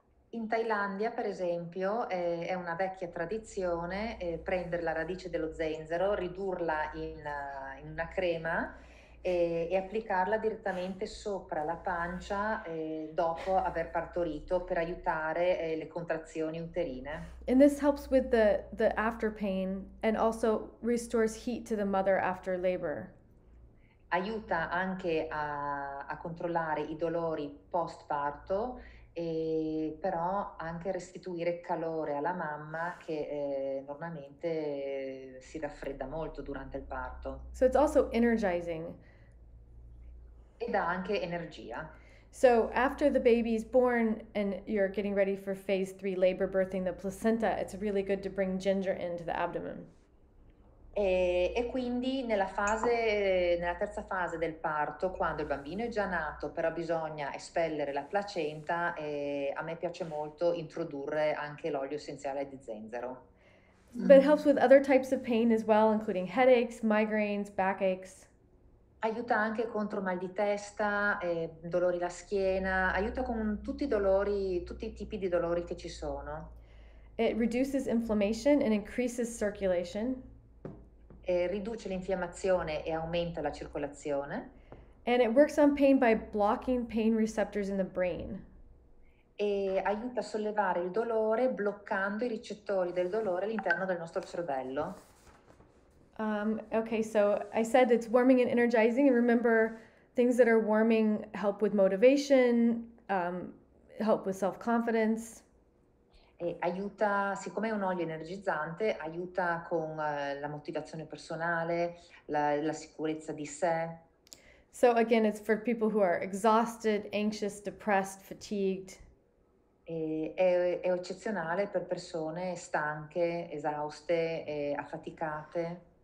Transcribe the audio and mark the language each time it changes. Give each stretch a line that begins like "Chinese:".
Italian: In Thailandia, per esempio, è una vecchia tradizione prendere la radice dello zenzero, ridurla in una crema e applicarla direttamente sopra la pancia dopo aver partorito per aiutare le contrazioni uterine.
English: And this helps with the after pain and also restores heat to the mother after labor.
Italian: Aiuta anche a controllare i dolori post parto e però anche restituire calore alla mamma che normalmente si raffredda molto durante il parto.
English: So it's also energizing.
Italian: E dà anche energia.
English: So after the baby is born and you're getting ready for phase 3 labor birthing the placenta, it's really good to bring ginger into the abdomen.
Italian: E quindi nella terza fase del parto, quando il bambino è già nato, però bisogna espellere la placenta, e a me piace molto introdurre anche l'olio essenziale di zenzero.
English: But it helps with other types of pain as well, including headaches, migraines, backaches.
Italian: Aiuta anche contro mal di testa, dolori alla schiena, aiuta con tutti i dolori, tutti i tipi di dolori che ci sono.
English: It reduces inflammation and increases circulation.
Italian: E riduce l'infiammazione e aumenta la circolazione.
English: And it works on pain by blocking pain receptors in the brain.
Italian: E aiuta a sollevare il dolore bloccando i ricettori del dolore all'interno del nostro cervello.
English: Okay, so I said it's warming and energizing, and remember things that are warming help with motivation, help with self-confidence.
Italian: E aiuta, siccome è un olio energizzante, aiuta con la motivazione personale, la sicurezza di sé.
English: So again, it's for people who are exhausted, anxious, depressed, fatigued.
Italian: È eccezionale per persone stanche, esauste, e affaticate.